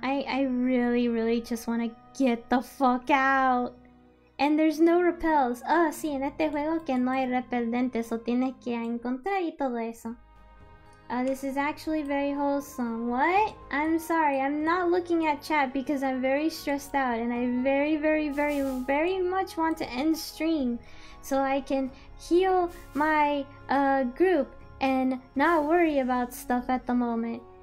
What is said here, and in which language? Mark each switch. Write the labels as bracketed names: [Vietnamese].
[English] I really just wanna get the fuck out. And there's no repels. [Spanish] Oh, sí, en este juego que no hay repelentes, o tienes que encontrar y todo eso. [English] This is actually very wholesome. What? I'm sorry, I'm not looking at chat because I'm very stressed out and I very, very, very, very much want to end stream so I can heal my group and not worry about stuff at the moment.